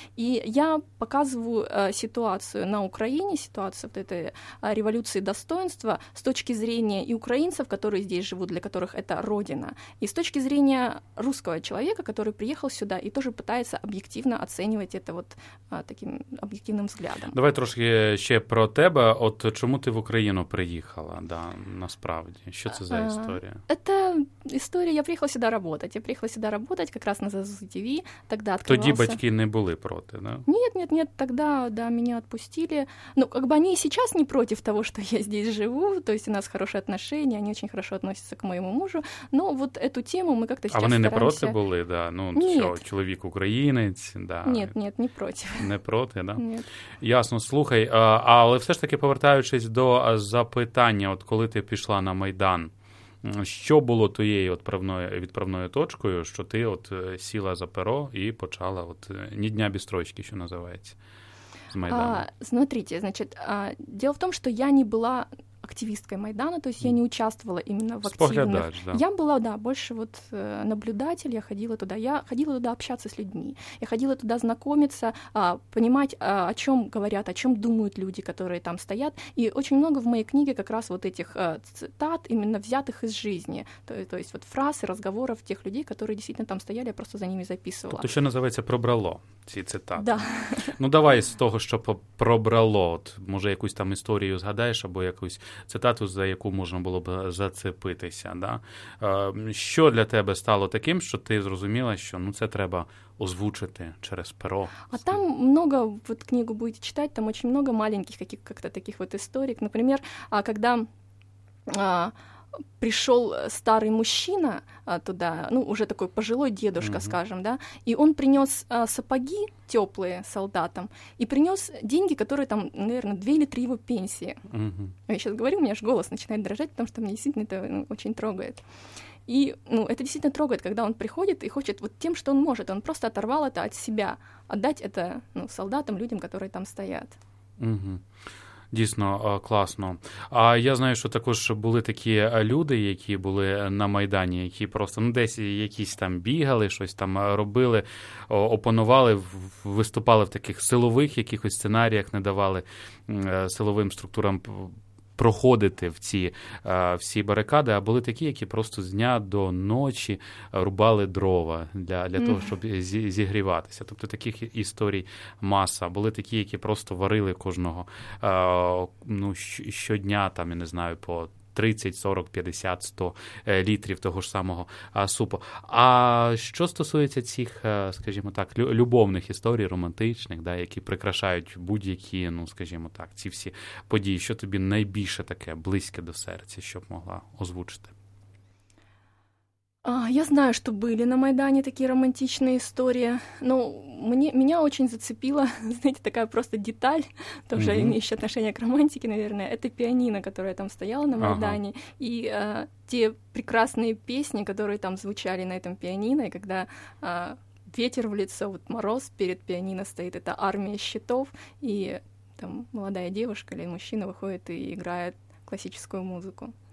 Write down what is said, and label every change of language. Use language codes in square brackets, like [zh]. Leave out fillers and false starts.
[ru] И я показываю ситуацию на Украине, ситуацию вот этой революции достоинства с точки зрения и украинцев, которые здесь живут, для которых это родина, и с точки зрения русского человека, который приехал сюда и тоже пытается объективно оценивать это вот таким объективным взглядом. [uk] Давай трошки ще про тебе, от чому ти в Україну приїхала, да, насправді? Що це за історія? Це історія, я приїхала сюди працювати. Я приїхала сюди працювати, якраз на ZZTV. Тоді батьки не були проти, да? Ні, тоді, да, мене відпустили. Ну, як би вони і зараз не проти того, що я тут живу. Тобто у нас хороші відносини, вони дуже добре відносяться до моєму мужу. Ну, от цю тему ми якось зараз стараємося. А вони стараємося... не проти були, да? Ну, що, чоловік українець, да. Ні, не проти. Не проти, да? Ні. Ясно, слухай, але все ж таки повертаючись до запитання, от коли ти пішла на Майдан, що було твоєю відправною точкою, що ти от сіла за перо і почала от ні дня без строчки, що називається, з Майдану? [ru] Смотрите, дело [uk] в тому, що я не була [ru] активисткой Майдана, то есть я не участвовала именно в активных... Да. Я была, да, больше вот наблюдатель, я ходила туда. Я ходила туда общаться с людьми, я ходила туда знакомиться, понимать, о чем говорят, о чем думают люди, которые там стоят. И очень много в моей книге как раз вот этих цитат, именно взятых из жизни, то есть вот фраз и разговоров тех людей, которые действительно там стояли, я просто за ними записывала. Тут еще называется «пробрало» [uk] ці цитати. [ru] Да. [uk] Ну, давай з того, що пробрало, от, може, якусь там історію згадаєш, або якусь цитату, за яку можна було б зацепитися. Да? Що для тебе стало таким, що ти зрозуміла, що ну, це треба озвучити через перо? [ru] А там много, вот книгу будете читати, там очень много маленьких каких-то таких вот історик. Например, когда пришел старый мужчина туда, ну, уже такой пожилой дедушка, mm-hmm. скажем, да, и он принес сапоги теплые солдатам и принес деньги, которые там, наверное, 2 или 3 его пенсии. Mm-hmm. Я сейчас говорю, у меня аж голос начинает дрожать, потому что меня действительно это очень трогает. И, ну, это действительно трогает, когда он приходит и хочет вот тем, что он может, он просто оторвал это от себя, отдать это, ну, солдатам, людям, которые там стоят. [uk] Mm-hmm. Дійсно, класно. А я знаю, що також були такі люди, які були на Майдані, які просто ну, десь якісь там бігали, щось там робили, опанували, виступали в таких силових якихось сценаріях, не давали силовим структурам проходити в ці всі барикади, а були такі, які просто з дня до ночі рубали дрова для того, щоб зігріватися. Тобто таких історій маса. Були такі, які просто варили кожного ну, щодня, там, я не знаю, по 30, 40, 50, 100 літрів того ж самого супу. А що стосується цих, скажімо так, любовних історій, романтичних, да, які прикрашають будь-які, ну, скажімо так, ці всі події, що тобі найбільше таке близьке до серця, щоб могла озвучити? [ru] Я знаю, что были на Майдане такие романтичные истории, но меня очень зацепила, знаете, такая просто деталь, тоже mm-hmm. имеющая отношение к романтике, наверное, это пианино, которое там стояло на Майдане, uh-huh. и те прекрасные песни, которые там звучали на этом пианино, и когда ветер в лицо, вот мороз перед пианино стоит, это армия щитов, и там молодая девушка или мужчина выходит и играет классическую музыку,